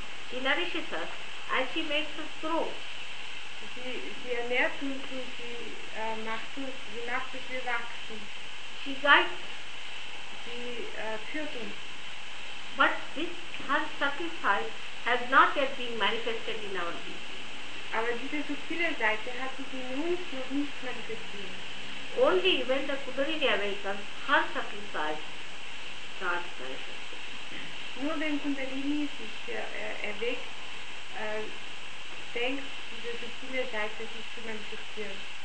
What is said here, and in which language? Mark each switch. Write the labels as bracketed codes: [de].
[en] She nourishes us and she makes us grow. [de] Sie ernährt uns und sie macht, dass wir wachsen. [en] She guides. [de] Sie führt uns. [en] But this her subtle side has not yet been manifested in our being. [de] Aber diese subtile Seite hat sich in uns noch nicht manifestiert. [en] Only when the Kundalini awakens, her subtle side starts manifesting. [de] Nur wenn Kundalini sich erweckt, denkt diese subtile Seite sich zu manifestieren.